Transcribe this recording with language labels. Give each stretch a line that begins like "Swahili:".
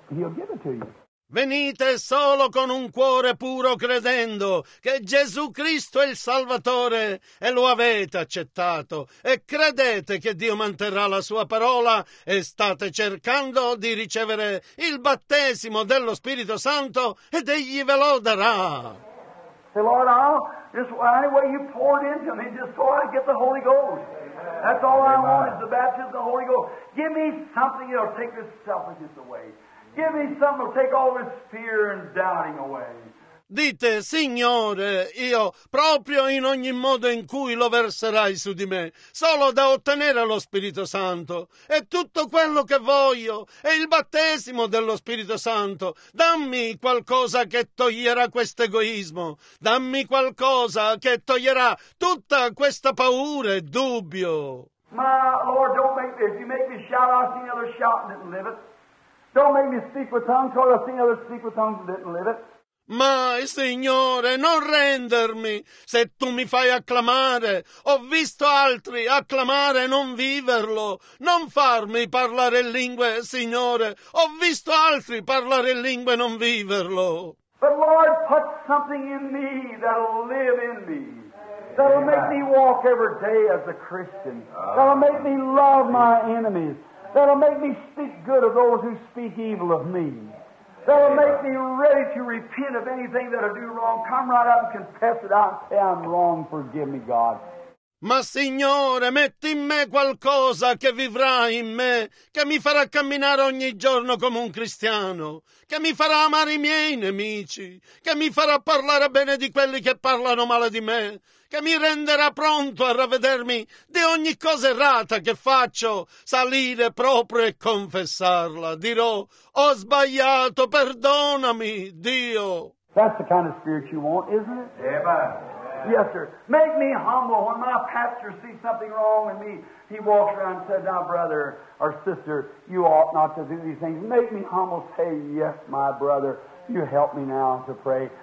English: He'll give it to you.
Italian: Venite solo con un cuore puro credendo che Gesù Cristo è il Salvatore e lo avete accettato e credete che Dio manterrà la sua parola e state cercando di ricevere il battesimo dello Spirito Santo ed egli ve lo darà.
English: Say, Lord, I'll just any way you pour it into me, just so I get the Holy Ghost. That's all Amen. I want is the baptism of the Holy Ghost. Give me something that'll take this selfishness away. Give me something that'll take all this fear and doubting away.
Italian: Dite, Signore, io proprio in ogni modo in cui lo verserai su di me, solo da ottenere lo Spirito Santo, è tutto quello che voglio, è il battesimo dello Spirito Santo, dammi qualcosa che toglierà questo egoismo, dammi qualcosa che toglierà tutta questa paura e dubbio.
English: Ma, Lord, don't make me, if you make me shout, I'll see another shout and didn't live it. Don't make me speak with tongues, cause I've seen others speak with tongues and didn't live it.
Italian: Ma, Signore, non rendermi se Tu mi fai acclamare. Ho visto altri acclamare e non viverlo. Non farmi parlare in lingue, Signore. Ho visto altri parlare in lingue e non viverlo.
English: But Lord, put something in me that'll live in me. That'll Amen. Make me walk every day as a Christian. That'll make me love my enemies. That'll make me speak good of those who speak evil of me. That'll Amen. Make me ready to repent of anything that I do wrong. Come right up and confess it out and say, I'm wrong. Forgive me, God.
Italian: Ma Signore, metti in me qualcosa che vivrà in me, che mi farà camminare ogni giorno come un cristiano, che mi farà amare i miei nemici, che mi farà parlare bene di quelli che parlano male di me, che mi renderà pronto a ravvedermi di ogni cosa errata che faccio, salire proprio e confessarla. Dirò, ho sbagliato, perdonami, Dio.
English: That's the kind of spirit you want, isn't it? Yeah, but... Yes, sir. Make me humble. When my pastor sees something wrong with me, he walks around and says, now, brother or sister, you ought not to do these things. Make me humble. Say, yes, my brother, you help me now to pray.